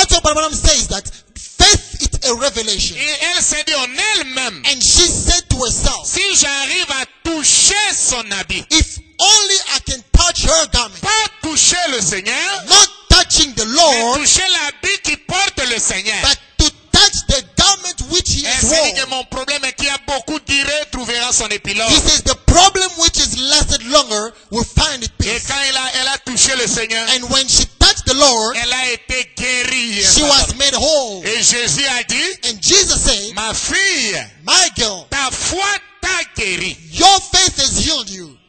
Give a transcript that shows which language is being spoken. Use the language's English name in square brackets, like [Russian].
[English] That's what Branham says, that faith is a revelation. [French] Et elle s'est dit en elle-même. [English] And she said to herself. [French] Si j'arrive à toucher son habit. [English] If only I can touch her garment. [French] Pas toucher le Seigneur. [English] Not touching the Lord. [French] Mais toucher l'habit qui porte le Seigneur. [English] But to touch the garment which he is wearing. [French] Et mon problème est qu'il y a beaucoup duré trouvera son épilogue. [English] He says the problem which has lasted longer will find it peace. [French] Et quand elle a touché le Seigneur. [English] And when she touched the Lord. [French] Elle a été guérie. [English] She was made whole. [French] Et Jésus a dit. [English] And Jesus said. [French] Ma fille. [English] My girl. [French] Ta foi t'a guéri. [English] Your faith has healed you.